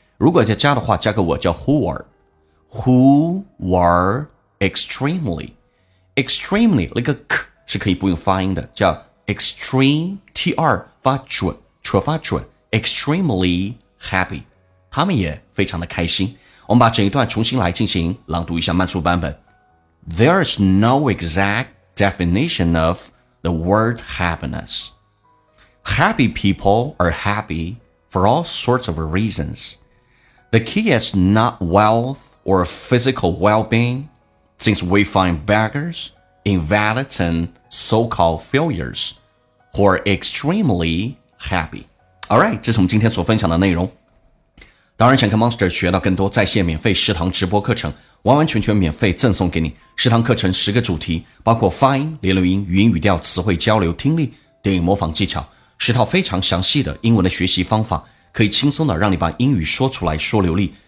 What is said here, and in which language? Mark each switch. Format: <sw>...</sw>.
<zh>如果要加的话，加个我叫 who are。</zh> <en>Who were extremely, extremely,</en> <zh>那个 k 是可以不用发音的，叫 extreme, tr 发准，除发准，</zh> <en>extremely happy,</en> <zh>他们也非常的开心。我们把整一段重新来进行朗读一下慢速版本。</zh> <en>There is no exact definition of the word happiness. Happy people are happy for all sorts of reasons. The key is not wealth,or physical well-being, since we find beggars, invalids, and so-called failures who are extremely happy.</en> <zh>Alright, 这是我们今天所分享的内容。当然想跟 Monster 学到更多在线免费食堂直播课程，完完全全免费赠送给你。食堂课程10个主题，包括发音、连读音、语音语调、词汇交流、听力、电影模仿技巧，是套非常详细的英文的学习方法，可以轻松的让你把英语说出来说流利。</zh>